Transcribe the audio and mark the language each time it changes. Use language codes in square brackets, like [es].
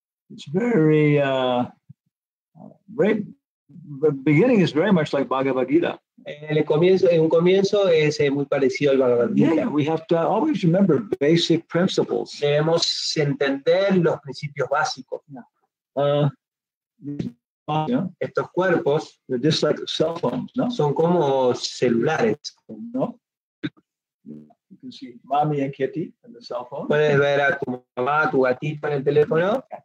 [en] It's very, right, the beginning is very much like Bhagavad Gita. [es] En un comienzo es muy parecido al Bhagavad Gita. [en] Yeah, we have to always remember basic principles. [es] Debemos entender los principios básicos. Estos cuerpos, [en] they're just like cell phones, no? [es] Son como celulares, no? [en] You can see mommy and kitty on the cell phone. [es] Puedes ver a tu mamá, a tu gatito en el teléfono.